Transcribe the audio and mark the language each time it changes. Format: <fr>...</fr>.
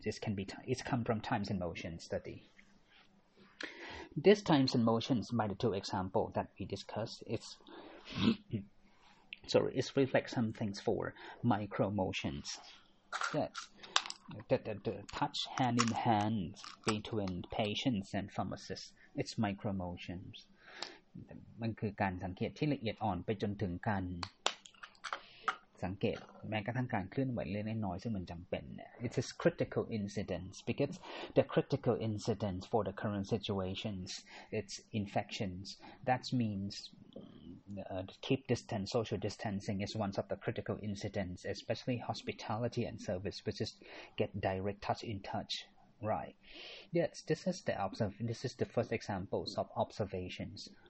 <en>This can be it's come from times and motion study. This times and motions by the two examples that we discussed is reflect some things for micro motions. Yes. The touch hand in hand between patients and pharmacists, it's micro motions.</en> <th>มันคือการสังเกตที่ละเอียดอ่อนไปจนถึงการสังเกตแม้กระทั่งการเคลื่อนไหวเล็กน้อยซึ่งมันจำเป็น</th> <en>It's a critical incident because the critical incident for the current situations, it's infections. That means keep distance, social distancing is one of the critical incidents, especially hospitality and service, which is get direct touch in touch, right? Yes, this is the this is the first examples of observations.</en>